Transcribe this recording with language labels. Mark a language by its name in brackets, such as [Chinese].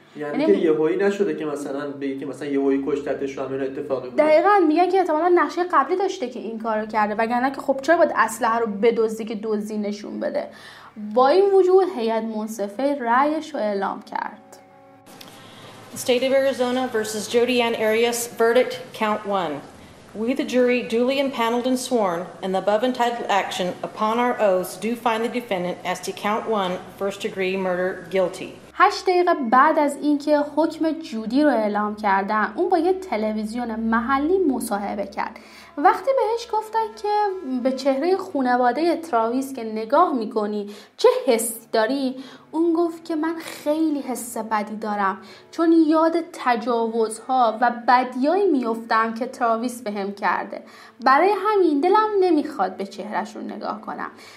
[Persian] یعنی که یهویی نشده که مثلا بگی که مثلا یهویی کشتتش و همین اتفاقی بوده. دقیقاً میگن که احتمالا نقشه قبلی داشته که این کارو کرده، وگرنه که خب چرا باید اسلحه رو بدزدی که دزدی نشون بده. با این وجود هیئت منصفه رأیش رو اعلام کرد. [English] State of Arizona versus Jodi Ann Arias, verdict, count one. We, the jury, duly impaneled and sworn, in the above entitled action, upon our oaths, do find the defendant as to count one, first degree murder, guilty. [Persian] 8 دقیقه بعد از اینکه حکم جودی رو اعلام کردن، اون با یه تلویزیون محلی مصاحبه کرد. وقتی بهش گفتن که به چهره خانواده تراویس که نگاه میکنی چه حسی داری، اون گفت که من خیلی حس بدی دارم، چون یاد تجاوزها و بدیایی میفتم که تراویس بهم کرده، برای همین دلم نمیخواد به چهرهش رو نگاه کنم.